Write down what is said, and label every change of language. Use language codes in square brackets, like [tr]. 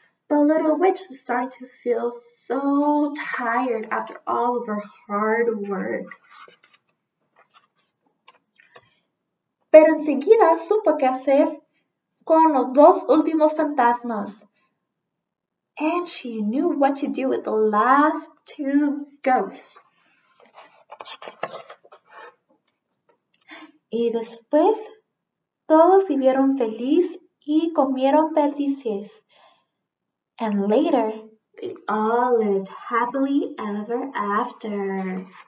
[en] The little witch was starting to feel so tired after all of her hard work. [es] Pero enseguida supo qué hacer con los dos últimos fantasmas. [en] And she knew what to do with the last two ghosts. [es] Y después, todos vivieron feliz y comieron perdices. [en] And later, they all lived happily ever after.